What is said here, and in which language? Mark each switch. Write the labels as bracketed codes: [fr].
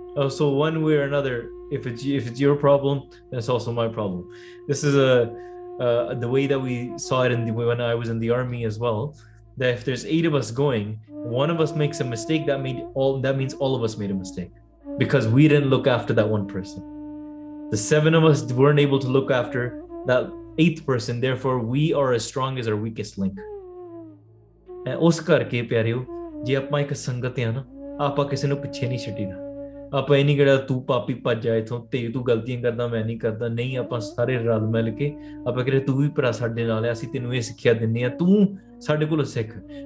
[en] So one way or another, if it's your problem, that's also my problem. This is the way that we saw it in the way one I was in the army as well, that if there's 8 of us going, one of us makes a mistake, that means all of us made a mistake, because we didn't look after that one person. The seven of us weren't able to look after that eighth person, therefore we are as strong as our weakest link. [pa] ਉਸ ਕਰਕੇ ਪਿਆਰਿਓ, ਜੇ ਆਪਾਂ ਇੱਕ ਸੰਗਤ ਆ ਨਾ, ਆਪਾਂ ਕਿਸੇ ਨੂੰ ਪਿੱਛੇ ਨਹੀਂ ਛੱਡੀਦਾ। ਆਪਾਂ ਇਹ ਨਹੀਂ ਕਿਹਾ ਤੂੰ ਪਾਪੀ ਭੱਜ ਜਾ ਇੱਥੋਂ, ਤੇ ਤੂੰ ਗਲਤੀਆਂ ਕਰਦਾ ਮੈਂ ਨਹੀਂ ਕਰਦਾ, ਨਹੀਂ ਆਪਾਂ ਸਾਰੇ ਰਲ ਮਿਲ ਕੇ ਆਪਾਂ ਕਹਿੰਦੇ ਤੂੰ ਵੀ ਭਰਾ ਸਾਡੇ ਨਾਲ ਆ, ਅਸੀਂ ਤੈਨੂੰ ਇਹ ਸਿੱਖਿਆ ਦਿੰਦੇ ਹਾਂ, ਤੂੰ ਸਾਡੇ ਕੋਲੋਂ ਸਿੱਖ।